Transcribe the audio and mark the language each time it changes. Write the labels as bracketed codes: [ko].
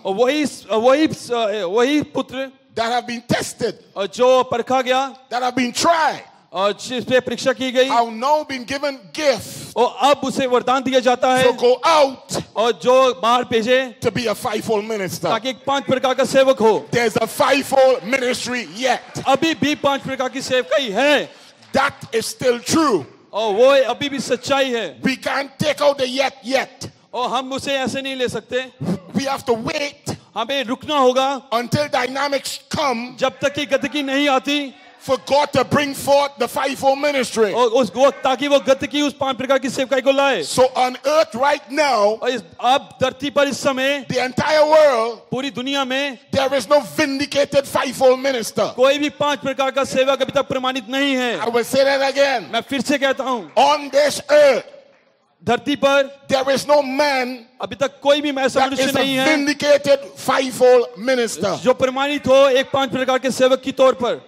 [hi] और वही पुत्र, [en] that have been tested, [hi] और जो परखा गया, [en] that have been tried, [hi] और जिसपे परीक्षा की गई. [en] I've now been given gift. [hi] और अब उसे वरदान दिया जाता है. [en] So go out. [hi] और जो बाहर भेजे. [en] To be a fivefold minister. [hi] ताकि एक पांच प्रकार का सेवक हो. [en] There's a fivefold ministry yet. [hi] अभी भी पांच प्रकार की सेवकाई है. [en] That is still true. [hi] और वो अभी भी सच्चाई है. [en] We can't take out the yet yet. [hi] और हम उसे ऐसे नहीं ले सकते. [en] We have to wait. [hi] हमें रुकना होगा. [en] Until dynamics come. [hi] जब तक कि गतिकी नहीं आती. [en] For God to bring forth the fivefold ministry. [hi] ताकि वो गति की उस पांच प्रकार की सेवकाई को लाए. [en] So on earth right now, [hi] अब धरती पर इस समय, [en] the entire world, [hi] पूरी दुनिया में, [en] there is no vindicated fivefold minister. [hi] कोई भी पांच प्रकार का सेवक अभी तक प्रमाणित नहीं है. [en] I will say that again. [hi] मैं फिर से कहता हूँ. [en] On this earth, [hi] धरती पर, [en] there is no man, [hi] अभी तक कोई भी ऐसा मनुष्य नहीं है, [en] vindicated fivefold minister, [hi] जो प्रमाणित हो एक पांच प्रकार के सेवक की तौर पर.